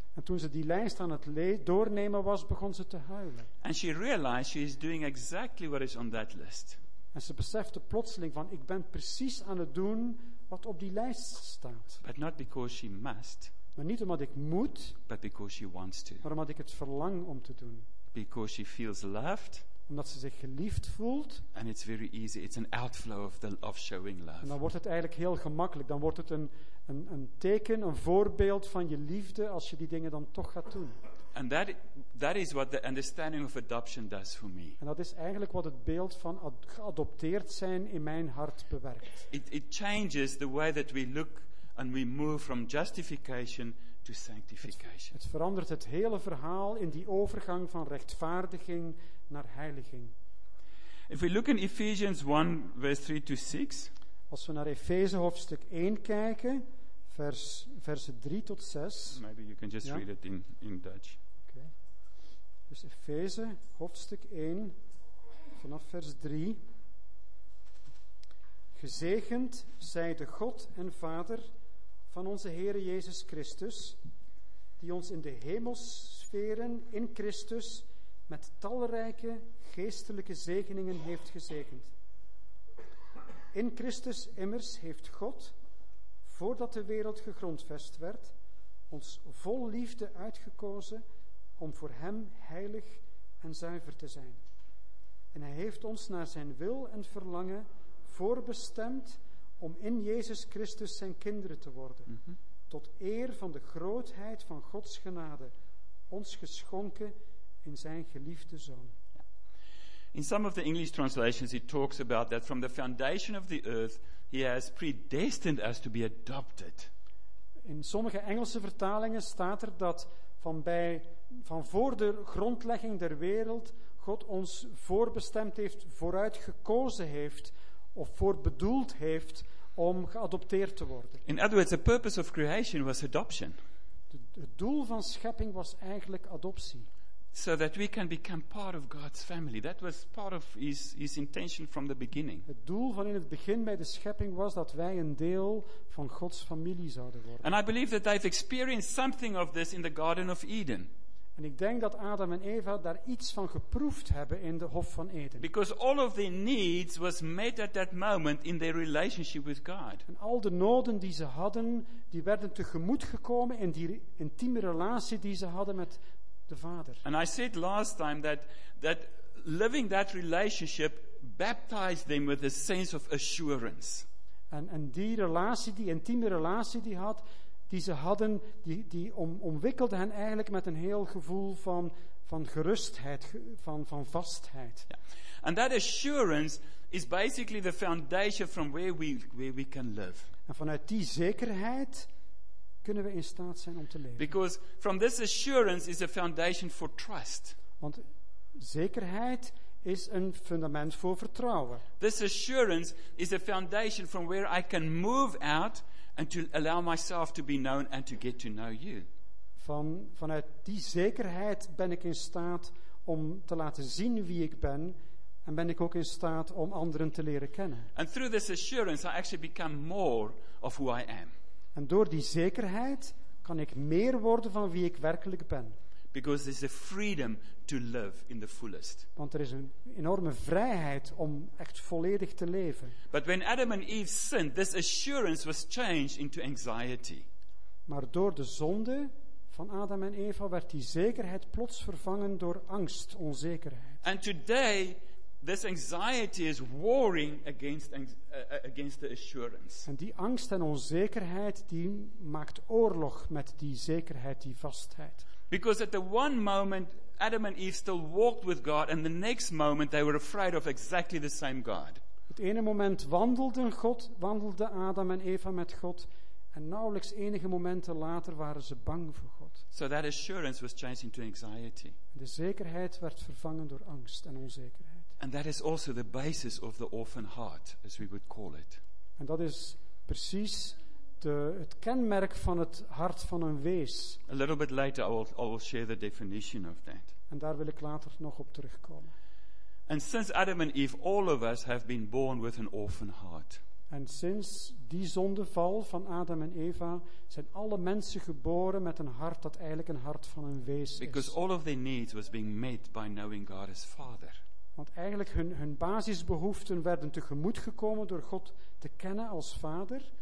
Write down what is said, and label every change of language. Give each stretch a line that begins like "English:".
Dutch: En toen ze die lijst aan het doornemen was, begon ze te huilen.
English: And she realized she is doing exactly what is on that list.
Dutch: En ze besefte plotseling van, ik ben precies aan het doen wat op die lijst staat.
English: But not because she must,
Dutch: maar niet omdat ik moet,
English: but because she wants to.
Dutch: Maar omdat ik het verlang om te doen.
English: Because she feels loved,
Dutch: omdat ze zich geliefd voelt.
English: And it's very easy. It's an outflow of showing love.
Dutch: En dan wordt het eigenlijk heel gemakkelijk. Dan wordt het een teken, een voorbeeld van je liefde als je die dingen dan toch gaat doen.
English: And that is what the understanding of adoption does for me.
Dutch: En dat is eigenlijk wat het beeld van geadopteerd zijn in mijn hart bewerkt.
English: It changes the way that we look and we move from justification to sanctification.
Dutch: Het verandert het hele verhaal in die overgang van rechtvaardiging naar heiliging.
English: If we look in Ephesians 1 verse 3 to 6.
Dutch: Als we naar Efeze hoofdstuk 1 kijken. Versen 3 tot 6.
English: Maybe you can just read it in Dutch. Okay.
Dutch: Dus Efeze, hoofdstuk 1, vanaf vers 3. Gezegend zij de God en Vader van onze Heere Jezus Christus, die ons in de hemelsferen in Christus met talrijke geestelijke zegeningen heeft gezegend. In Christus immers heeft God, voordat de wereld gegrondvest werd, ons vol liefde uitgekozen om voor hem heilig en zuiver te zijn. En hij heeft ons naar zijn wil en verlangen voorbestemd om in Jezus Christus zijn kinderen te worden, tot eer van de grootheid van Gods genade, ons geschonken in zijn geliefde Zoon.
English: In some of the English translations he talks about that from the foundation of the earth he has predestined us to be adopted.
Dutch: In sommige Engelse vertalingen staat er dat van voor de grondlegging der wereld God ons voorbestemd heeft, vooruit gekozen heeft, of voorbedoeld heeft om geadopteerd te worden.
English: In other words, the purpose of creation was adoption.
Dutch: Het doel van schepping was eigenlijk adoptie.
English: So that we can become part of God's family. That was part of his intention from the beginning.
Dutch: Het doel van in het begin bij de schepping was dat wij een deel van Gods familie zouden worden.
English: And I believe that they've experienced something of this in the Garden of Eden.
Dutch: En ik denk dat Adam en Eva daar iets van geproefd hebben in de Hof van Eden.
English: Because all of their needs was met at that moment in their relationship with God.
Dutch: En al de noden die ze hadden, die werden tegemoet gekomen in die intieme relatie die ze hadden met de Vader.
English: And I said last time that living that relationship baptized them with a sense of assurance.
Dutch: En die relatie, die intieme relatie die had, die ze hadden, die omwikkelde hen eigenlijk met een heel gevoel van gerustheid, van vastheid.
English: Yeah. And that assurance is basically the foundation from where we can live.
Dutch: En vanuit die zekerheid kunnen we in staat zijn om te leven.
English: Because from this assurance is a foundation for trust.
Dutch: Want zekerheid is een fundament voor vertrouwen.
English: This assurance is a foundation from where I can move out and to allow myself to be known and to get to know you.
Dutch: Vanuit die zekerheid ben ik in staat om te laten zien wie ik ben en ben ik ook in staat om anderen te leren kennen.
English: And through this assurance I actually become more of who I am.
Dutch: En door die zekerheid kan ik meer worden van wie ik werkelijk ben.
English: Because there's a freedom to live in the fullest.
Dutch: Want er is een enorme vrijheid om echt volledig te leven.
English: But when Adam and Eve sinned, this assurance was changed into anxiety.
Dutch: Maar door de zonde van Adam en Eva werd die zekerheid plots vervangen door angst, onzekerheid.
English: And today this anxiety is warring against the assurance.
Dutch: En die angst en onzekerheid die maakt oorlog met die zekerheid, die vastheid.
English: Because at the one moment Adam and Eve still walked with God and the next moment they were afraid of exactly the same God.
Dutch: Het ene moment wandelde Adam en Eva met God en nauwelijks enige momenten later waren ze bang voor God.
English: So that assurance was changed into anxiety.
Dutch: De zekerheid werd vervangen door angst en onzekerheid.
English: And that is also the basis of the orphan heart, as we would call it.
Dutch: En dat is precies het kenmerk van het hart van een wees.
English: A little bit later I will share the definition of that.
Dutch: En daar wil ik later nog op terugkomen.
English: And since Adam and Eve, all of us have been born with an orphan heart.
Dutch: En sinds die zondeval van Adam en Eva zijn alle mensen geboren met een hart dat eigenlijk een hart van een wees is.
English: Because all of their needs was being met by knowing God as Father.
Dutch: Want eigenlijk hun basisbehoeften werden tegemoet gekomen door God te kennen als Vader.